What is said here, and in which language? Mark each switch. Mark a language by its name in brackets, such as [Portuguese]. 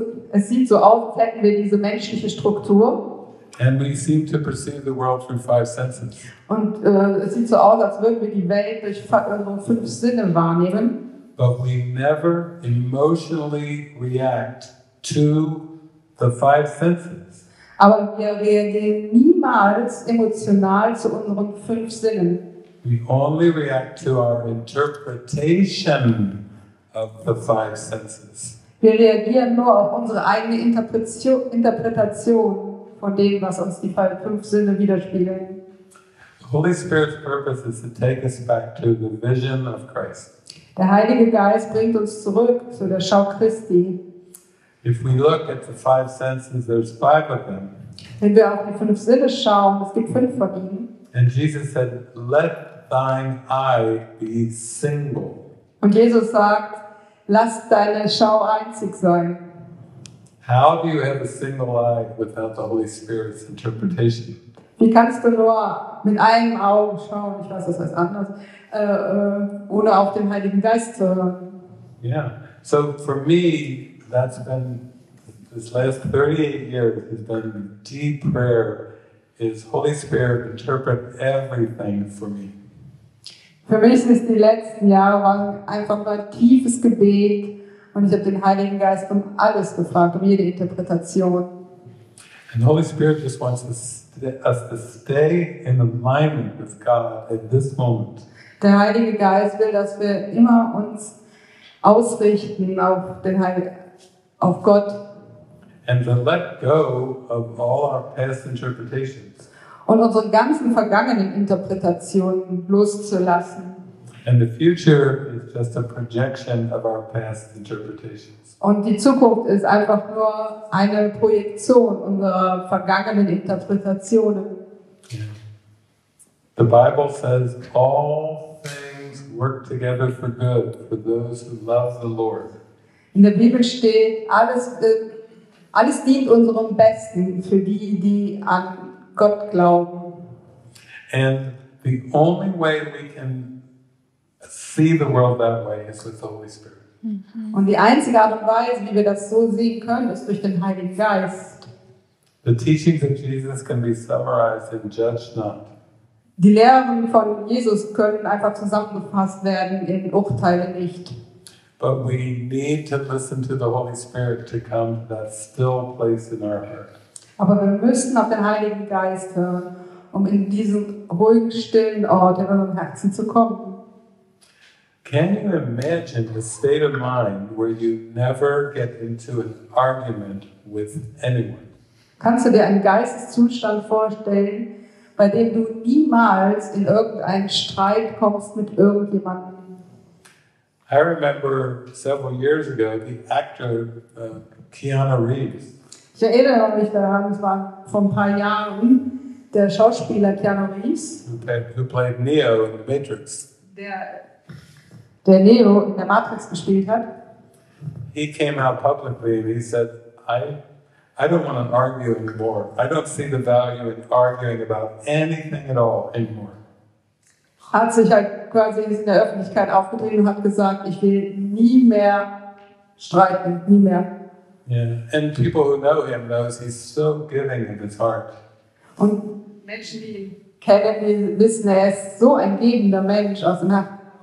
[German] Es sieht so aus, als hätten wir diese menschliche Struktur. [English] And we seem to perceive the world through five senses. [German] Und es sieht so aus, als würden wir die Welt durch unsere fünf Sinne wahrnehmen. [English] But we never emotionally react to the five senses. [German] Aber wir reagieren niemals emotional zu unseren fünf Sinnen. [English] We only react to our interpretation of the five senses. [German] Wir reagieren nur auf unsere eigene Interpretation von dem, was uns die fünf Sinne widerspiegeln. [English] The Holy Spirit's purpose is to take us back to the vision of Christ. [German] Der Heilige Geist bringt uns zurück zu der Schau Christi. [English] If we look at the five senses, there's five of them. [German] Wenn wir auf die fünf Sinne schauen, es gibt fünf von ihnen. [English] And Jesus said, "Let thine eye be single." [German] Und Jesus sagt, lass deine Schau einzig sein. [English] How do you have a single eye without the Holy Spirit's interpretation? [German] Wie kannst du nur mit einem Auge schauen? Ich weiß, das heißt anders. Ohne auf den Heiligen Geist zu hören. [English] Yeah, so for me, that's been, this last 38 years has been deep prayer, is Holy Spirit interpret everything for me. [German] Für mich ist die letzten Jahre waren einfach mal tiefes Gebet und ich habe den Heiligen Geist um alles gefragt, um jede Interpretation. [English] And Holy Spirit just wants us to stay in alignment with God at this moment. [German] Der Heilige Geist will, dass wir immer uns ausrichten auf den auf Gott. [English] And to let go of all our past interpretations. [German] Und unsere ganzen vergangenen Interpretationen loszulassen. [English] And the future is just a projection of our past interpretations. [German] Und die Zukunft ist einfach nur eine Projektion unserer vergangenen Interpretationen. [English] The Bible says all things work together for good for those who love the Lord. [German] In der Bibel steht, alles dient unserem Besten für die an Gott glauben. [English] And the only way we can see the world that way is with the Holy Spirit. [German] Und die einzige Art und Weise, wie wir das so sehen können, ist durch den Heiligen Geist. [English] The teachings of Jesus can be summarized in judge not. [German] Die Lehren von Jesus können einfach zusammengefasst werden in Urteile nicht. [English] But we need to listen to the Holy Spirit to come to that still place in our heart. [German] Aber wir müssen auf den Heiligen Geist hören, um in diesen ruhigen, stillen Ort in unserem Herzen zu kommen. [English] Can you imagine a state of mind where you never get into an argument with anyone? [German] Kannst du dir einen Geisteszustand vorstellen, bei dem du niemals in irgendeinen Streit kommst mit irgendjemandem? [English] I remember several years ago the actor Keanu Reeves. [German] Ich erinnere mich daran, es war vor ein paar Jahren, der Schauspieler Keanu Reeves, [English] who played Neo in The Matrix, [German] der Neo in der Matrix gespielt hat, [English] he came out publicly and he said, I don't want to argue anymore. I don't see the value in arguing about anything at all anymore. [German] Hat sich halt quasi in der Öffentlichkeit aufgedreht und hat gesagt, ich will nie mehr streiten, nie mehr. [English] Yeah, and people who know him knows he's so giving of his heart. [German] Und Menschen, die ihn kennen, die wissen, er ist so ein gebender Mensch aus dem Herzen.